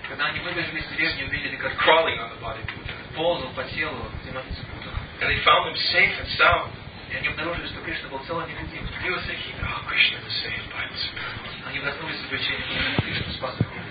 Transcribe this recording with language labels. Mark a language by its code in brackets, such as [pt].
[ru] когда они выбежали из деревни, увидели, как [en] crawling on the body of Putana. [ru] Ползал по телу демоницы Путана. [en] And they found him safe and sound. [ru] И они обнаружили, что Кришна был цел и невредим. [en] They were thinking, oh, Krishna was saved by the Supreme. [ru] Они вдохнулись с облегчением, что Кришна спас их.